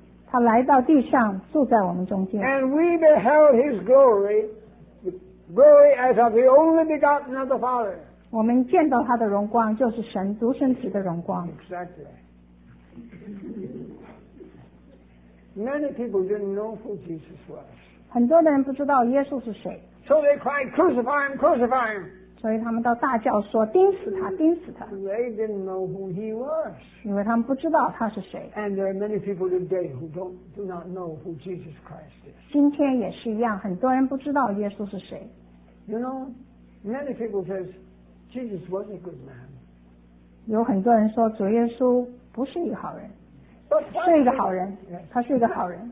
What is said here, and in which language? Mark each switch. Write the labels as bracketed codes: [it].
[zh] 他来到地上，住在我们中间。 [en] And we beheld his glory, the glory as of the only begotten of the Father. [zh] 我们见到他的荣光，就是神独生子的荣光。 [en] Exactly. Many people didn't know who Jesus was. [zh] 很多人不知道耶稣是谁。 [en] So they cried, "Crucify him! Crucify him!" [zh] 所以他们都大叫说，钉死他，钉死他。 [en] They didn't know who he was. [zh] 因为他们不知道他是谁。 [en] And there are many people today who do not know who Jesus Christ is. [zh] 今天也是一样，很多人不知道耶稣是谁。 [en] You know, many people say Jesus was a good man. [zh] 有很多人说主耶稣不是一个好人，是一个好人，他是一个好人。